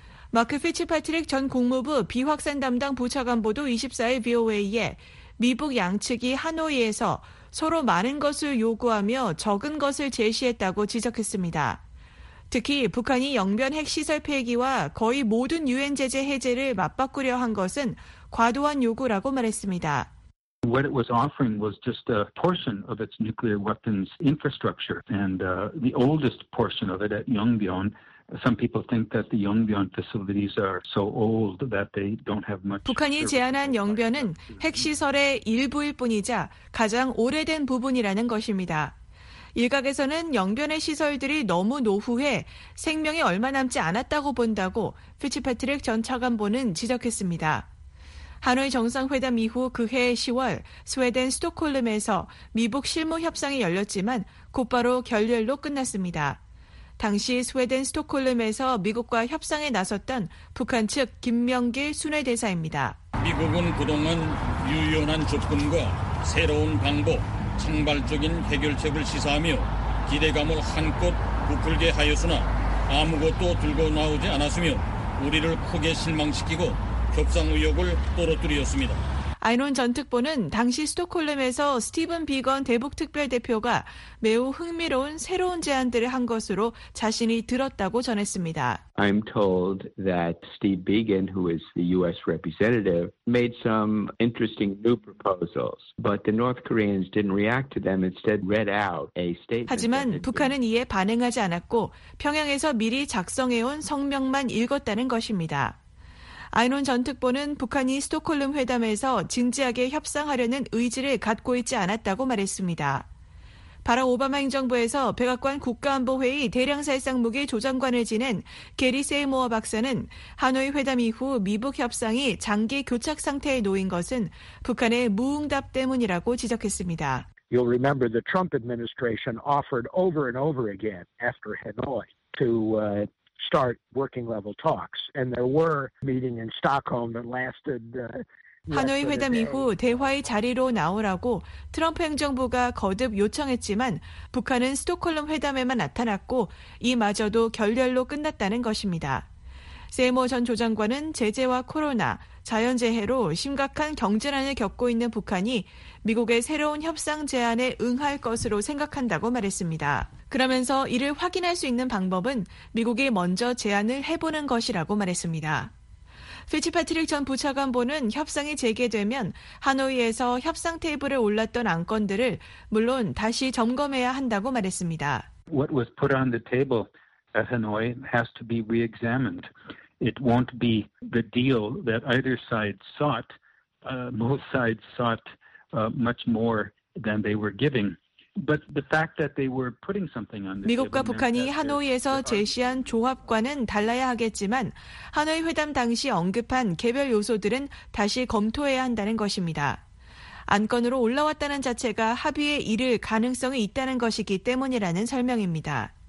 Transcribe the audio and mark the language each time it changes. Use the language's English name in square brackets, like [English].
[Korean] 마크 피츠파트릭 전 국무부 비확산 담당 부차관보도 24일 VOA에 미북 양측이 하노이에서 서로 많은 것을 요구하며 적은 것을 제시했다고 지적했습니다. 특히 북한이 영변 핵시설 폐기와 거의 모든 유엔 제재 해제를 맞바꾸려 한 것은 과도한 요구라고 말했습니다. [English] What it was offering was just a portion of its nuclear weapons infrastructure and the oldest portion of it at Yongbyon. Some people think that the Yongbyon facilities are so old that they don't have much. [Korean] 북한이 제안한 영변은 핵시설의 일부일 뿐이자 가장 오래된 부분이라는 것입니다. 일각에서는 영변의 시설들이 너무 노후해 생명이 얼마 남지 않았다고 본다고 피츠패트릭 전 차관보는 지적했습니다. 하노이 정상회담 이후 그해 10월 스웨덴 스톡홀름에서 미북 실무 협상이 열렸지만 곧바로 결렬로 끝났습니다. 당시 스웨덴 스톡홀름에서 미국과 협상에 나섰던 북한 측 김명길 순회대사입니다. 미국은 그동안 유연한 접근과 새로운 방법, 총괄적인 해결책을 시사하며 기대감을 한껏 부풀게 하였으나 아무것도 들고 나오지 않았으며 우리를 크게 실망시키고 협상 의욕을 떨어뜨렸습니다. 아이논 전 특보는 당시 스톡홀름에서 스티븐 비건 대북특별대표가 매우 흥미로운 새로운 제안들을 한 것으로 자신이 들었다고 전했습니다. [English] I'm told that Steve Biegun, who is the U.S. representative, made some interesting new proposals, but the North Koreans didn't react to them. Instead, read out a statement. [Korean] 하지만 북한은 이에 반응하지 않았고 평양에서 미리 작성해온 성명만 읽었다는 것입니다. 아이논 전 특보는 북한이 스톡홀름 회담에서 진지하게 협상하려는 의지를 갖고 있지 않았다고 말했습니다. 바락 오바마 행정부에서 백악관 국가안보회의 대량살상무기 조정관을 지낸 게리 세이모어 박사는 하노이 회담 이후 미북 협상이 장기 교착 상태에 놓인 것은 북한의 무응답 때문이라고 지적했습니다. [English] You'll remember the Trump administration offered over and over again after Hanoi to start working level talks and there were meeting in Stockholm that lasted [Korean] 하노이 회담 이후 대화의 자리로 나오라고 트럼프 행정부가 거듭 요청했지만 북한은 스톡홀름 회담에만 나타났고 이마저도 결렬로 끝났다는 것입니다. 세모 전 조장관은 제재와 코로나, 자연재해로 심각한 경제난을 겪고 있는 북한이 미국의 새로운 협상 제안에 응할 것으로 생각한다고 말했습니다. 그러면서 이를 확인할 수 있는 방법은 미국이 먼저 제안을 해보는 것이라고 말했습니다. 피치패트릭 전 부차관보는 협상이 재개되면 하노이에서 협상 테이블에 올랐던 안건들을 물론 다시 점검해야 한다고 말했습니다. [English] What was put on the table at Hanoi has to be re-examined. It won't be the deal that either side sought. Both sides sought much more than they were giving. But the fact that they were putting something on the table. [Korean] 미국과 북한이 하노이에서 제시한 조합과는 달라야 하겠지만 하노이 회담 당시 언급한 개별 요소들은 다시 검토해야 한다는 것입니다. 안건으로 올라왔다는 자체가 합의에 이를 가능성이 있다는 것이기 때문이라는 설명입니다.